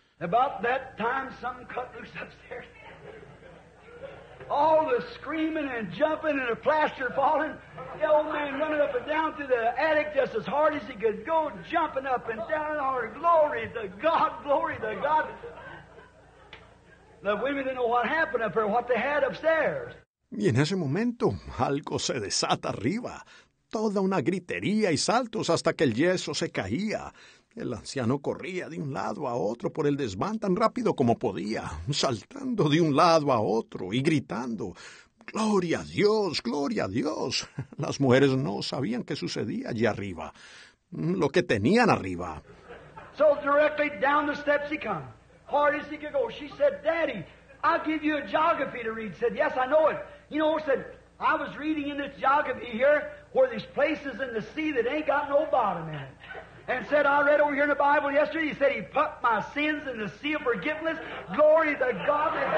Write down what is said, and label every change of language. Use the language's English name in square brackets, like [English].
[English] About that time, something cut loose upstairs. All the screaming and jumping and the plaster falling. The old man running up and down through the attic just as hard as he could go, jumping up and down. Oh, glory to God, glory to God. The women didn't know what happened up there, what they had upstairs. [Spanish] Y en ese momento, algo se desata arriba. Toda una gritería y saltos hasta que el yeso se caía. El anciano corría de un lado a otro por el desván tan rápido como podía, saltando de un lado a otro y gritando, ¡Gloria a Dios! ¡Gloria a Dios! Las mujeres no sabían qué sucedía allí arriba, lo que tenían arriba. [English] So directly down the steps he come, hard as he could go. She said, Daddy, I'll give you a geography to read. Said, yes, I know it. You know, said, I was reading in this geography here where there's places in the sea that ain't got no bottom in it. And said, I read over here in the Bible yesterday, he said, he put my sins in the sea of forgiveness. Glory to God.